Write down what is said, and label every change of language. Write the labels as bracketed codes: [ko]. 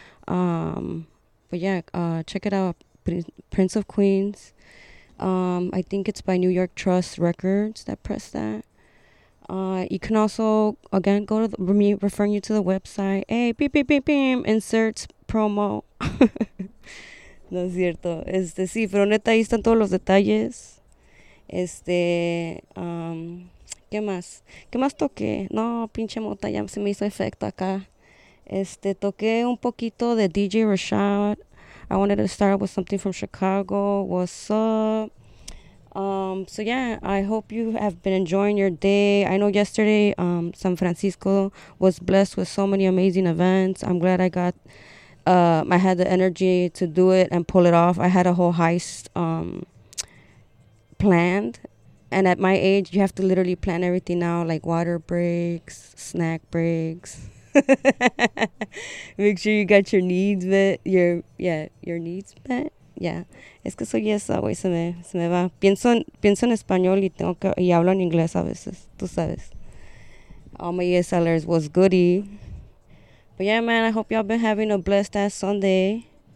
[en] Check it out. Prince of Queens. I think it's by New York Trust Records that pressed that. You can also, again, go to me referring you to the website. Hey, beep, beep, beep, beep. Inserts promo. [es] No es cierto. Sí, pero neta, ahí están todos los detalles. ¿Qué más? ¿Qué más toqué? No, pinche mota, ya se me hizo efecto acá. Toqué un poquito de DJ Rashad. [en] I wanted to start with something from Chicago. What's up? So yeah, I hope you have been enjoying your day. I know yesterday San Francisco was blessed with so many amazing events. I'm glad I got, I had the energy to do it and pull it off. I had a whole heist planned. And at my age, you have to literally plan everything now, like water breaks, snack breaks. Make sure you got your needs met. Your needs met. Yeah. [es] Es que soy esa, güey, se me va. Pienso en español y tengo que, y hablo en inglés a veces, tú sabes. [en] All my ESLers was goody. But yeah, man, I hope y'all been having a blessed ass Sunday.